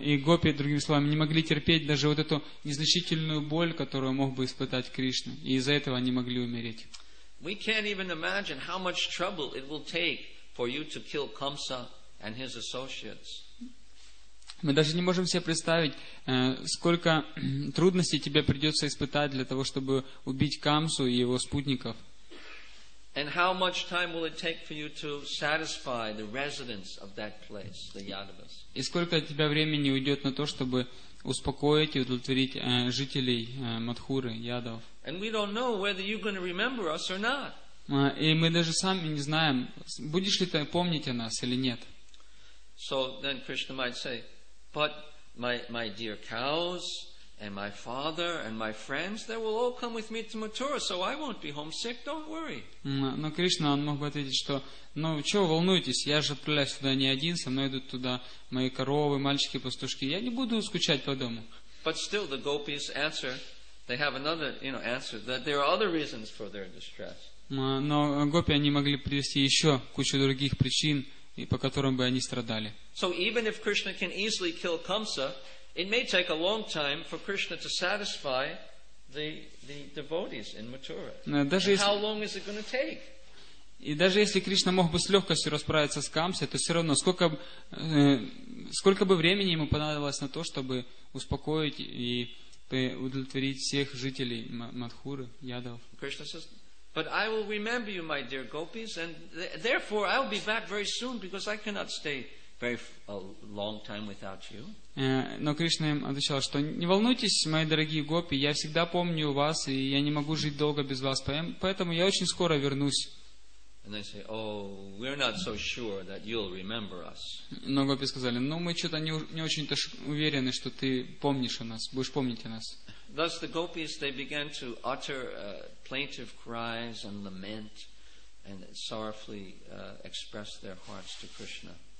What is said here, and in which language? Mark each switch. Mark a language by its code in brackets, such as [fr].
[ru] И гопи, другими словами, не могли терпеть даже вот эту незначительную боль, которую мог бы испытать Кришна. И из-за этого они могли умереть. [en] We can't even imagine how much trouble it will take for you to kill Kamsa and his associates. [ru] Мы даже не можем себе представить, сколько трудностей тебе придется испытать для того, чтобы убить Камсу и его спутников. [en] And how much time will it take for you to satisfy the residents of that place, the Yadavas? [ru] И сколько от тебя времени уйдет на то, чтобы успокоить и удовлетворить жителей Мадхуры, Ядов? [en] And we don't know whether you're going to remember us or not. [ru] И мы даже сами не знаем, будешь ли ты помнить о нас или нет. [en] So then Krishna might say, but my dear cows and my father and my friends, they will all come with me to Mathura, so I won't be homesick, don't worry. [ru] Но Кришна, он мог бы ответить, что, ну, чего волнуетесь, я же отправляюсь туда не один, со мной идут туда мои коровы, мальчики, пастушки, я не буду скучать по дому. [en] But still the gopis answer, they have another, you know, answer, that there are other reasons for their distress. [ru] Но гопи, они могли привести еще кучу других причин, и по которым бы они страдали. [en] So even if Krishna can easily kill Kamsa, it may take a long time for Krishna to satisfy the devotees in Mathura. How long is it going to take? [ru] И даже если Кришна мог бы с легкостью расправиться с Камсой, то все равно сколько бы времени ему понадобилось на то, чтобы успокоить и удовлетворить всех жителей Мадхуры, Ядов. [en] Krishna says, but I will remember you, my dear gopis, and therefore I will be back very soon because I cannot stay pray a long time without you. [ru] Но Кришна им отвечал, что не волнуйтесь, мои дорогие гопи, я всегда помню вас, и я не могу жить долго без вас, поэтому я очень скоро вернусь. [en] And they say, oh, we're not so sure that you'll remember us. [ru] Но гопи сказали, ну мы что-то не очень-то уверены, что ты помнишь о нас, будешь помнить о нас. [en] Thus the gopis, they began to utter plaintive cries and lament and sorrowfully express their hearts to Krishna.